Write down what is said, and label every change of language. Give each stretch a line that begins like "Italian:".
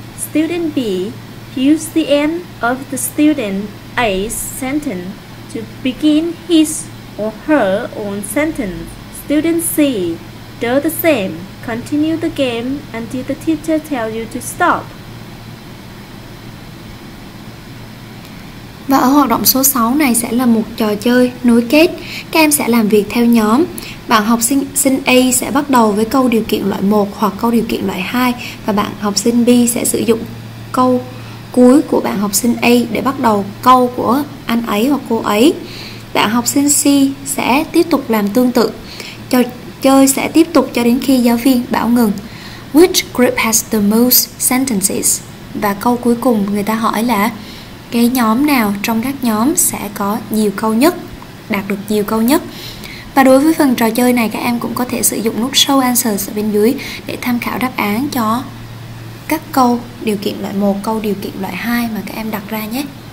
English: Student B uses the end of the student A's sentence to begin his or her own sentence. Student C does the same. Continue the game until the teacher tells you to stop.
Vietnamese: Và ở hoạt động số 6 này sẽ là một trò chơi nối kết. Các em sẽ làm việc theo nhóm. Bạn học sinh A sẽ bắt đầu với câu điều kiện loại 1 hoặc câu điều kiện loại 2, và bạn học sinh B sẽ sử dụng câu cuối của bạn học sinh A để bắt đầu câu của anh ấy hoặc cô ấy. Bạn học sinh C sẽ tiếp tục làm tương tự. Trò chơi sẽ tiếp tục cho đến khi giáo viên bảo ngừng.
English: Which group has the most sentences?
Vietnamese: Và câu cuối cùng người ta hỏi là cái nhóm nào trong các nhóm sẽ có nhiều câu nhất, đạt được nhiều câu nhất. Và đối với phần trò chơi này, các em cũng có thể sử dụng nút show answers ở bên dưới để tham khảo đáp án cho các câu điều kiện loại 1, câu điều kiện loại 2 mà các em đặt ra nhé.